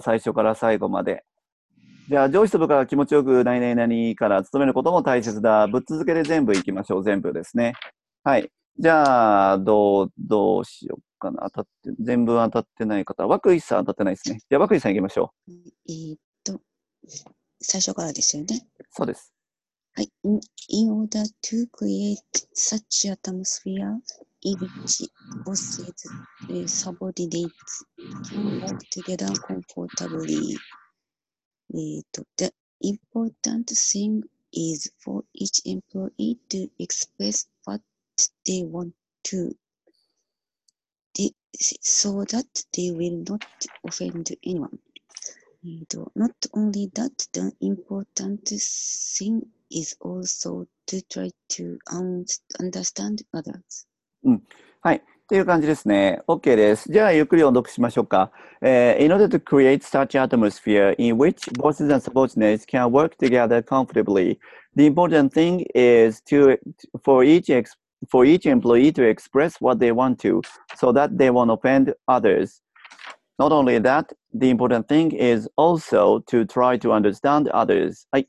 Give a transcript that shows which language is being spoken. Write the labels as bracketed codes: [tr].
[ja] 最初から最後まで。じゃあ、上司と部下が気持ちよく何々何から務めることも大切だ。ぶっ続けで全部いきましょう。全部ですね。はい。じゃあ、どうしようかな。全部当たってない方。和久井さん当たってないですね。じゃあ、和久井さん行きましょう。最初からですよね。そうです。はい。 [en] In order to create such atmosphere, in which bosses and subordinates can work together comfortably, the important thing is for each employee to express whatthey want to, so that they will not offend anyone. Not only that, the important thing is also to try to understand others. [ja] うん、はい、っていう感じですね。 OK です。じゃあ、ゆっくり音読しましょうか。 [en] In order to create such atmosphere in which bosses and subordinates can work together comfortably, the important thing is for each employee to express what they want to, so that they won't offend others. Not only that, the important thing is also to try to understand others.